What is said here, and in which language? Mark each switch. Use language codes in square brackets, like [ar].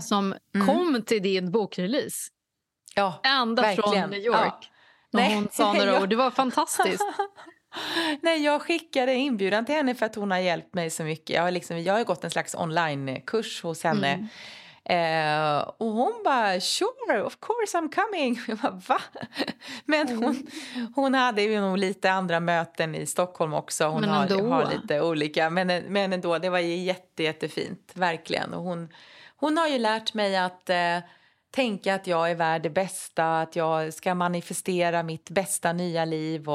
[sv] Som kom till din bokrelease. Ja, ända verkligen. Från New York. Ja. Nej. Hon sa några ord. Det var fantastiskt. Nej, jag skickade inbjudan till henne för att hon har hjälpt mig så mycket. Jag har gått en slags online-kurs hos henne. Mm. Och hon bara, [en] sure, of course I'm coming. [sv] Jag bara, va? Men hon hade ju nog lite andra möten i Stockholm också. Hon har lite olika, men ändå, det var ju jättefint, verkligen. Och hon har ju lärt mig att tänka att jag är värd det bästa, att jag ska manifestera mitt bästa nya liv.